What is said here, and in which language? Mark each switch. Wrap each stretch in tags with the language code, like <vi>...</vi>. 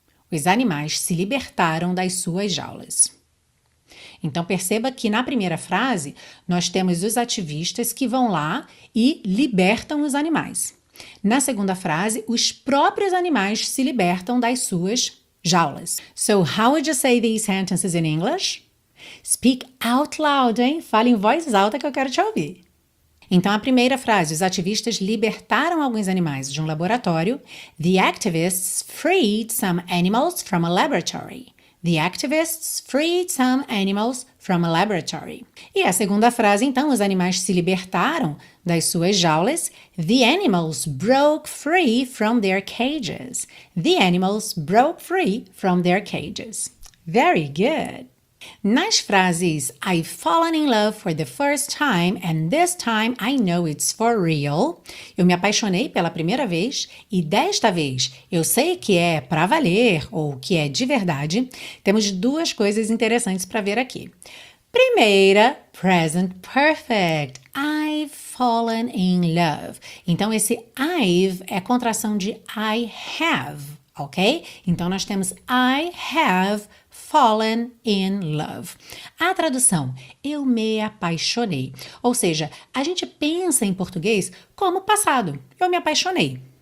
<pt>Os animais se libertaram das suas jaulas. Então perceba que na primeira frase nós temos os ativistas que vão lá e libertam os animais. Na segunda frase, os próprios animais se libertam das suas jaulas.</pt> <en>So how would you say these sentences in English? Speak out loud, hein?</en> <pt>Fale em voz alta que eu quero te ouvir. Então, a primeira frase, os ativistas libertaram alguns animais de um laboratório.</pt> <en>The activists freed some animals from a laboratory. The activists freed some animals from a laboratory.</en> <pt>E a segunda frase, então, os animais se libertaram das suas jaulas.</pt> <en>The animals broke free from their cages. The animals broke free from their cages. Very good.</en> <pt>Nas frases</pt> <en>I've fallen in love for the first time and this time I know it's for real,</en> <pt>eu me apaixonei pela primeira vez e desta vez eu sei que é pra valer ou que é de verdade, temos duas coisas interessantes para ver aqui. Primeira, present perfect.</pt> <en>I've fallen in love.</en> <pt>Então, esse I've é contração de</pt> <en>I have,</en> <pt>ok? Então, nós temos</pt> <en>I have fallen in love.</en> <pt>A tradução, eu me apaixonei. Ou seja, a gente pensa em português como passado, eu me apaixonei.</pt>